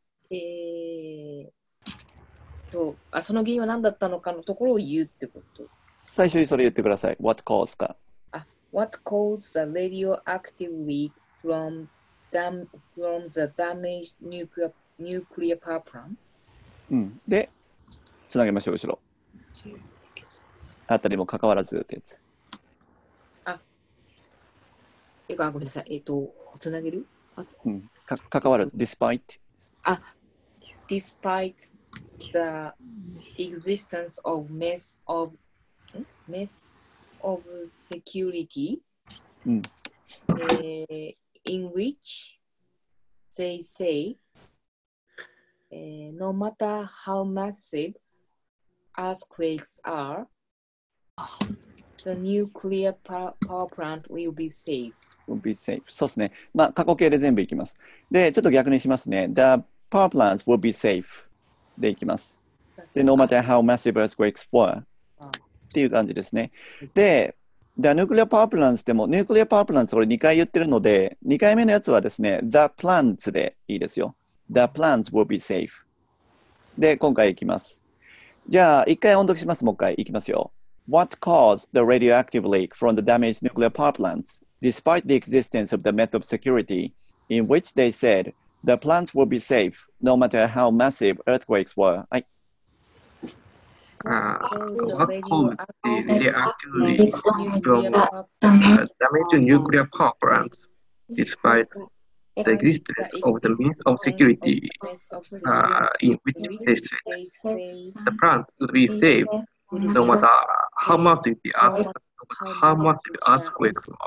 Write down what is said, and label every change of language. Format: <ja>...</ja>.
<ja>その原因は何だったのかのところを言うってこと。最初にそれ言ってください。</ja> <en>what caused か。 what caused the radioactive leak from the damaged nuclear power plant?</en> <ja>うん、で、つなげましょう、後ろ。あたりもかかわらずってやつ。あ、ごめんなさい。つなげる、うん、かかわらず、despite。</ja> <en>あ、despite the existence of mess of security、</en> <ja>うん</ja> <en>in which they say,no matter how massive earthquakes are, the nuclear power plant will be safe. Will be safe.</en> <ja>そうですね。まあ、過去形で全部いきます。で、ちょっと逆にしますね。</ja> <en>The power plant will be safe.</en> <ja>でいきます。</ja> <en>で、no matter how massive earthquakes were.</en> <ja>っていう感じですね。で、</ja> <en>The nuclear power plants</en> <ja>でも、</ja> <en>nuclear power plants</en> <ja>これ2回言ってるので、2回目のやつはですね、</ja> <en>the plants</en> <ja>でいいですよ。</ja> <en>The plants will be safe.</en> <ja>で、今回いきます。じゃあ、一回音読します。もう一回いきますよ。</ja> <en>What caused the radioactive leak from the damaged nuclear power plants, despite the existence of the method of security, in which they said the plants will be safe, no matter how massive earthquakes were? I... What caused the radioactive leak from damaged nuclear power plants, despite the existence of the means of security, in which they said the plants would be safe, no matter how much the earthquakes</en>